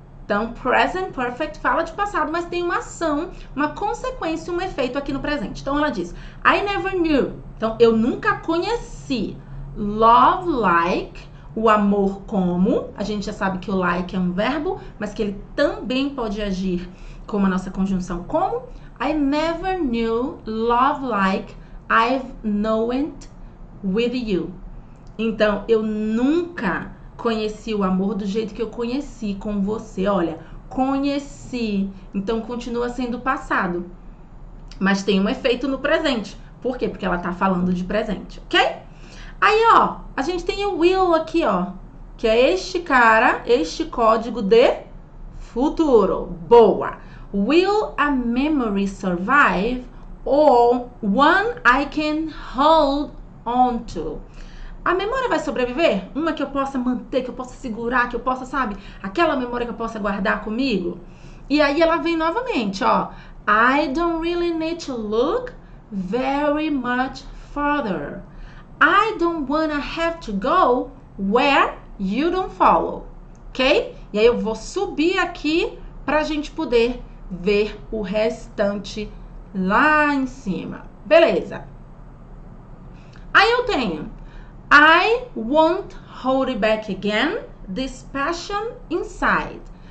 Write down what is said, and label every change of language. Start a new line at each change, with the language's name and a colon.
Portuguese: Então, present perfect fala de passado, mas tem uma ação, uma consequência, um efeito aqui no presente. Então, ela diz:
English: I never knew.
Portuguese: Então, eu nunca conheci
English: love like.
Portuguese: O amor como, a gente já sabe que o like é um verbo, mas que ele também pode agir como a nossa conjunção como.
English: I never knew love like I've known it with you.
Portuguese: Então, eu nunca conheci o amor do jeito que eu conheci com você. Olha, conheci. Então, continua sendo passado, mas tem um efeito no presente. Por quê? Porque ela tá falando de presente, ok? Aí, ó, a gente tem o will aqui, ó, que é este cara, este código de futuro. Boa!
English: Will a memory survive or one I can hold on to?
Portuguese: A memória vai sobreviver? Uma que eu possa manter, que eu possa segurar, que eu possa, sabe, aquela memória que eu possa guardar comigo? E aí ela vem novamente, ó.
English: I don't really need to look very much further. I don't wanna have to go where you don't follow. Ok?
Portuguese: E aí eu vou subir aqui pra gente poder ver o restante lá em cima. Beleza? Aí eu tenho:
English: I won't hold it back again, this passion inside.